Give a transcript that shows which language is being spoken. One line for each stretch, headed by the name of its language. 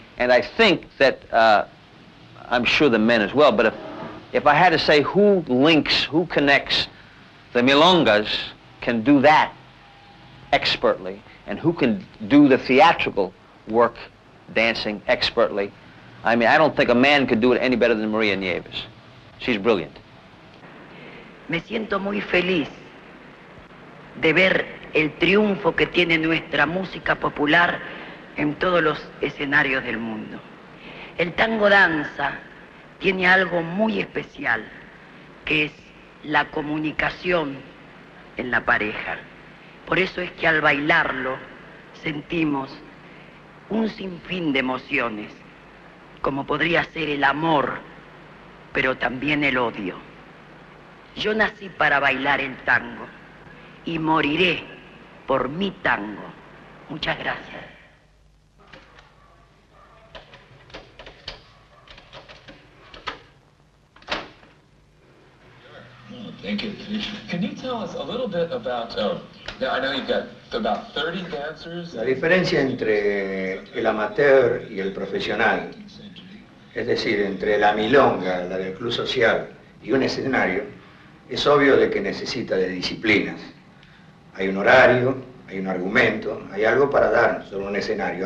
English: And I think that, I'm sure the men as well, but if I had to say who links, who connects, the milongas can do that expertly, and who can do the theatrical work dancing expertly, I mean, I don't think a man could do it any better than Maria Nieves. She's brilliant.
Spanish: Me siento muy feliz de ver el triunfo que tiene nuestra música popular en todos los escenarios del mundo. El tango danza tiene algo muy especial, que es la comunicación en la pareja. Por eso es que al bailarlo sentimos un sinfín de emociones, como podría ser el amor, pero también el odio. Yo nací para bailar el tango y moriré por mi tango. Muchas gracias.
English: Thank you. Can you tell us a little bit about, now I know you've got about 30 dancers.
Spanish: La diferencia entre el amateur y el profesional, es decir, entre la milonga, la del club social, y un escenario, es obvio de que necesita de disciplinas. Hay un horario, hay un argumento, hay algo para dar sobre un escenario.